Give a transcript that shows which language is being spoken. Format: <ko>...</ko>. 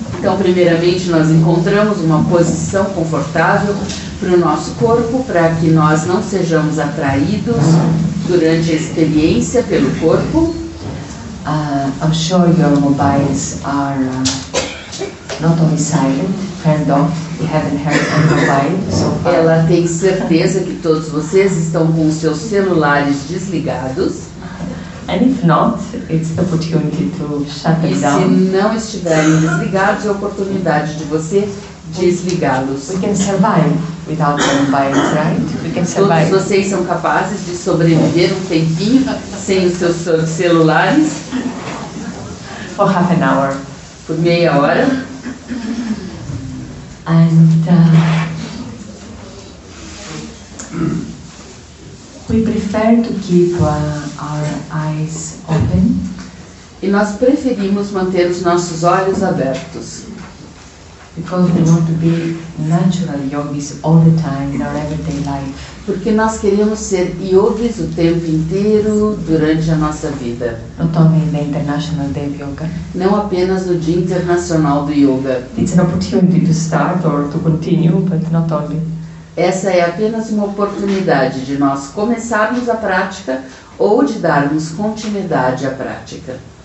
<pt>Então, primeiramente, nós encontramos uma posição confortável para o nosso corpo, para que nós não sejamos atraídos durante a experiência pelo corpo.</pt> <en>I'm sure your mobiles are not only silent, turned off. We haven't heard any mobile so far.</en> <pt>Ela tem certeza que todos vocês estão com os seus celulares desligados.</pt> <en>And if not, it's the opportunity to shut them down.</en> <pt>E se não estiverem desligados, é a oportunidade de você desligá-los.</pt> <en>We can survive without the mobiles, right? We can survive.</en> <pt>Todos vocês são capazes de sobreviver um tempinho sem os seus celulares?</pt> <en>For half an hour.</en> <pt>Por meia hora.</pt> <en>And we prefer to keep our eyes open.</en> <pt>E nós preferimos manter os nossos olhos abertos.</pt> <en>Because we want to be natural yogis all the time in our everyday life.</en> <pt>Porque nós queremos ser yogis o tempo inteiro durante a nossa vida.</pt> <en>Not only in the International Day of Yoga.</en> <pt>Não apenas no Dia Internacional do Yoga.</pt> <en>It's an opportunity to start or to continue, but not only.</en> <pt>Essa é apenas uma oportunidade de nós começarmos a prática ou de darmos continuidade à prática.</pt>